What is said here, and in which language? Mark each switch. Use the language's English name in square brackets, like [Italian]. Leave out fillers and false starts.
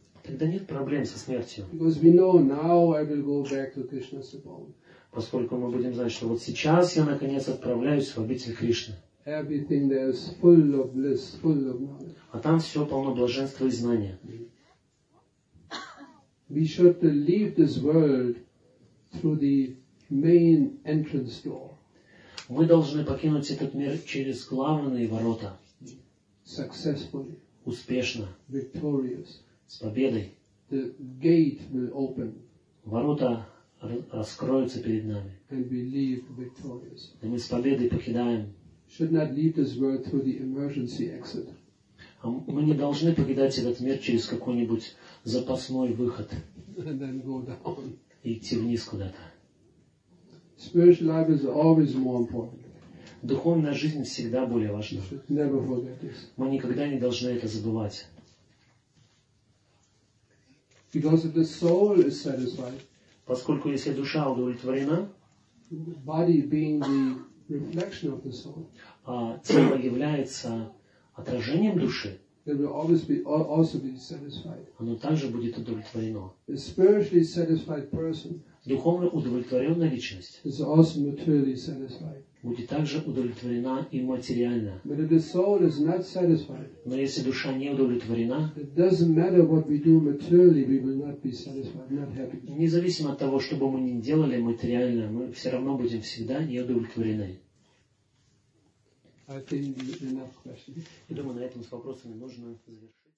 [Russian] Тогда нет проблем со смертью. [English] Because we know now I will go back to Krishna's abode. [Russian] Поскольку мы будем знать, что вот сейчас я наконец отправляюсь в обитель Кришны. [English] Everything there is full of bliss, full of knowledge. [Russian] А там все полно блаженства и знания. [English] We should leave this world through the main entrance door. [Russian] Мы должны покинуть этот мир через главные ворота. [English] Successfully. [Russian] Успешно. [English] Victorious. [Russian] С победой. [English] The gate will open. [Russian] Ворота раскроются перед нами. [English] And we leave victorious. [Russian] И мы с победой покидаем. [English] Should not leave this world through the emergency exit. [Russian] А мы не должны покидать этот мир через какой-нибудь запасной выход. [English] And then go down. [Russian] И идти вниз куда-то. [English] Spiritual life is always more important. [Russian] Духовная жизнь всегда более важна. [English] We should never forget this. [Russian] Мы никогда не должны это забывать. [English] Because if the soul is satisfied, [Russian] поскольку если душа удовлетворена, [English] body being the reflection of the soul, [Russian] а тело является отражением души, [English] it will always be also be satisfied. [Russian] Оно также будет удовлетворено. [English] A spiritually satisfied person. [Russian] Духовно удовлетворенная личность [English] is also materially satisfied. [Russian] Будет также удовлетворена и материально. [English] But if the soul is not satisfied, [Russian] но если душа не удовлетворена, [English] it doesn't matter what we do materially, we will not be satisfied, not happy. [Russian] Независимо от того, что бы мы ни делали материально, мы все равно будем всегда не удовлетворены. [English] I think enough questions. [Russian] Я думаю, на этом с вопросами можно завершить.